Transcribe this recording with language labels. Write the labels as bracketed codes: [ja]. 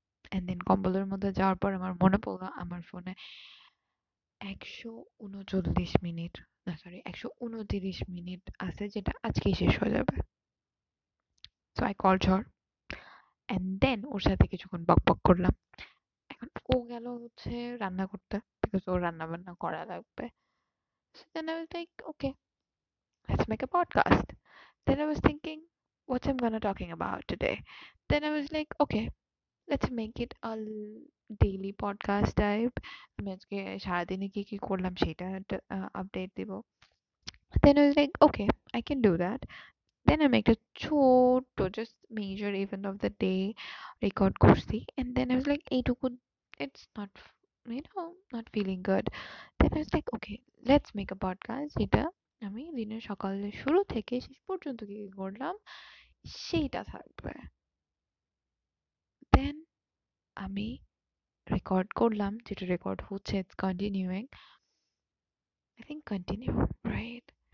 [bn] And then কম্বলের মধ্যে যাওয়ার পর আমার মনে পড়লো আমার ফোনে 139 মিনিট, না সরি 139 মিনিট আছে যেটা আজকেই শেষ হয়ে যাবে। [en] so I call her and then [bn] ওর সাথে কিছুক্ষণ বক বক করলাম। এখন ও গেল হচ্ছে রান্না করতে, বিকজ ওর রান্না বান্না করা লাগবে। [en] So then I will take okay, let's make a podcast. Then I was thinking, what am I gonna talking about today? Then I was like, okay, let's make it a daily podcast type. [bn] আমি আজকে সারাদিনে কি কি করলাম সেটা update দিব। [en] Then I was like, okay, I can do that. Then I make a short, just major event of the day record করছি. And then I was like, এইটুকু, it's not, you know, not feeling good. Then I was like, okay, let's make a podcast [bn] যেটা আমি দিনের সকালে শুরু থেকে শেষ পর্যন্ত কি করলাম সেইটা থাকবে। দেন আমি রেকর্ড করলাম, যেটা রেকর্ড হচ্ছে [en] It's continuing, I think continue right.